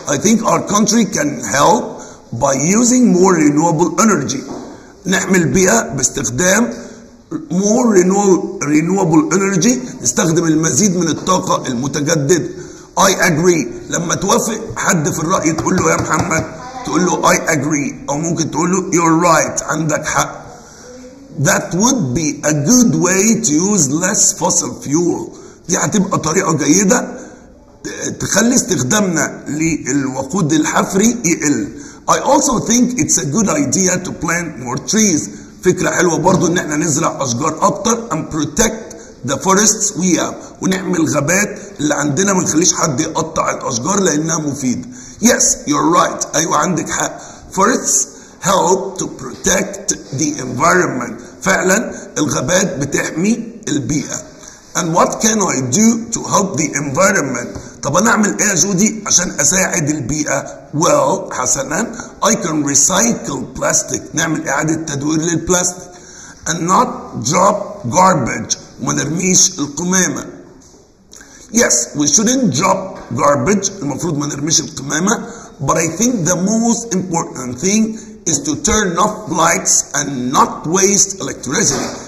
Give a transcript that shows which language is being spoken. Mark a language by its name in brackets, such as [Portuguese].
[English] I think our country can help by using more renewable energy. [Arabic] نحمي البيئة باستخدام [English] more renewable energy. [Arabic] نستخدم المزيد من الطاقة المتجددة. [English] I agree. [Arabic] لما توافق حد في الرأي تقول له يا محمد تقول له I agree او ممكن تقول له [English] you're right [Arabic] عندك حق. [English] That would be a good way to use less fossil fuel. [Arabic] دي هتبقى طريقة جيدة تخلي استخدامنا للوقود الحفري يقل. [English] I also think it's a good idea to plant more trees. [Arabic] فكرة حلوة برضو ان احنا نزرع اشجار اكتر [English] and protect the forests we have. [Arabic] ونعمل غابات اللي عندنا ما نخليش حد يقطع الاشجار لانها مفيدة. [English] Yes, you're right. [Arabic] ايوه عندك حق. [English] Forests help to protect the environment. [Arabic] فعلا الغابات بتحمي البيئة. [English] And what can I do to help the environment? [Arabic] طب انا اعمل ايه يا جودي عشان اساعد البيئة؟ [English] Well, [Arabic] حسنا [English] I can recycle plastic. [Arabic] نعمل اعادة تدوير للبلاستيك. [English] And not drop garbage. [Arabic] وما نرميش القمامة. [English] Yes, we shouldn't drop garbage. [Arabic] المفروض ما نرميش القمامة. [English] But I think the most important thing is to turn off lights and not waste electricity.